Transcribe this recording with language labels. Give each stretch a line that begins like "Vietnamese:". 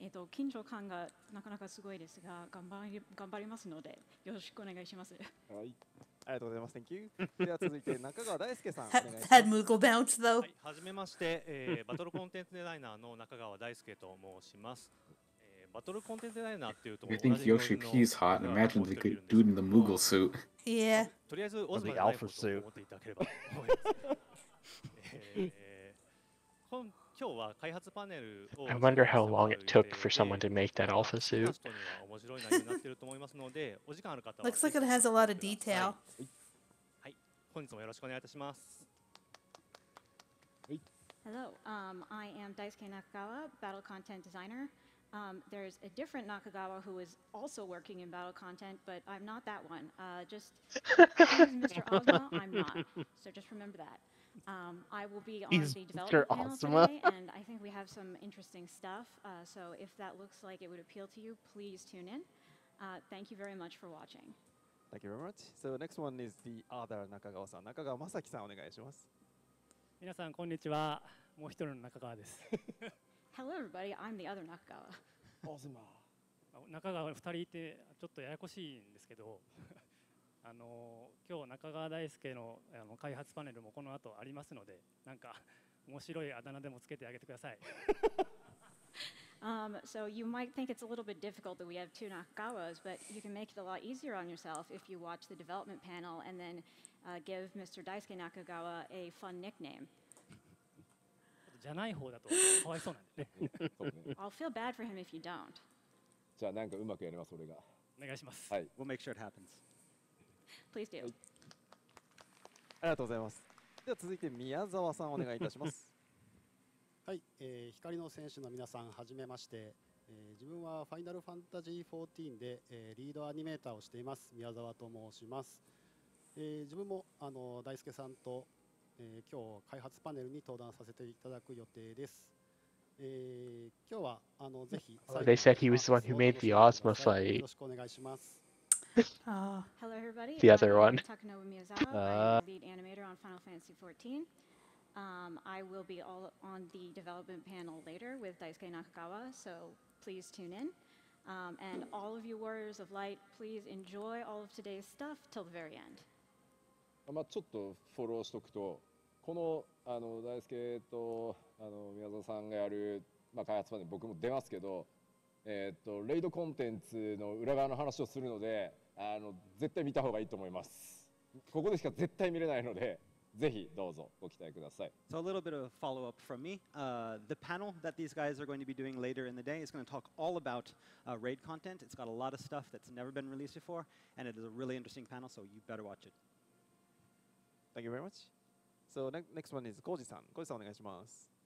Japanese: 緊張感がなかなかすごいですが、頑張りますので、よろしくお願いします。はい。ありがとうございます。
English: Thank you.
Japanese: では続いて、中川大輔さん。
English: Had Moogle bounce, though.
Japanese: はい、はじめまして、バトルコンテンツデザイナーの中川大輔と申します。バトルコンテンツデザイナーっていうと
English: You think Yoshi P is hot and imagine the good dude in the Moogle suit. Yeah.
Japanese: とりあえずオズマじゃないことを思っていただければと思います。今日は開発パネルを
English: I wonder how long it took for someone to make that alpha suit.
Japanese: 面白い内容になっていると思いますので、お時間ある方は
English: Looks like it has a lot of detail.
Japanese: はい、本日もよろしくお願いいたします。
English: Hello, I am Daisuke Nakagawa, Battle Content Designer. There's a different Nakagawa who is also working in battle content, but I'm not that one. Just Mr. Ozma, I'm not. So just remember that. I will be on the developer panel today, and I think we have some interesting stuff. So if that looks like it would appeal to you, please tune in. Thank you very much for watching. Thank you very much. So next one is the other Nakagawa-san.
Japanese: Nakagawa Masaki-san, お願いします。皆さん、こんにちは。もう一人の Nakagawa です。
English: Hello everybody, I'm the other Nakagawa. Ozma.
Japanese: 中川2人いてちょっとややこしいんですけど、今日中川大輔の開発パネルもこの後ありますので、なんか面白いあだ名でもつけてあげてください。
English: So you might think it's a little bit difficult that we have two Nakagawas, but you can make it a lot easier on yourself if you watch the development panel and then give Mr. Daisuke Nakagawa a fun nickname.
Japanese: じゃない方だとかわいそうなんでね。
English: I'll feel bad for him if you don't.
Japanese: じゃあなんかうまくやります俺が。お願いします。はい。
English: We'll make sure it happens. Please do.
Japanese: ありがとうございます。では続いて宮沢さんお願いいたします。はい、光の選手の皆さんはじめまして、自分はファイナルファンタジー14で、リードアニメーターをしています宮沢と申します。自分も大輔さんと。今日開発パネルに登壇させていただく予定です。今日はぜひ。
English: They said he was the one who made the Ozma fight.
Japanese: よろしくお願いします。
English: Hello everybody. The other one. Takanobu Miyazawa, I'm the lead animator on Final Fantasy XIV. I will be all on the development panel later with Daisuke Nakagawa, so please tune in. And all of you warriors of light, please enjoy all of today's stuff till the very end.
Japanese: まあ、ちょっとフォローしておくと、この、 大輔と宮沢さんがやる、まあ、開発パネル、僕も出ますけど、レイドコンテンツの裏側の話をするので、絶対見た方がいいと思います。ここでしか絶対見れないので、ぜひどうぞご期待ください。
English: So a little bit of follow-up from me. The panel that these guys are going to be doing later in the day is going to talk all about raid content. It's got a lot of stuff that's never been released before, and it is a really interesting panel, so you better watch it. Thank you very much. So next one is Koji-san. Koji-san,
Japanese: お願いします。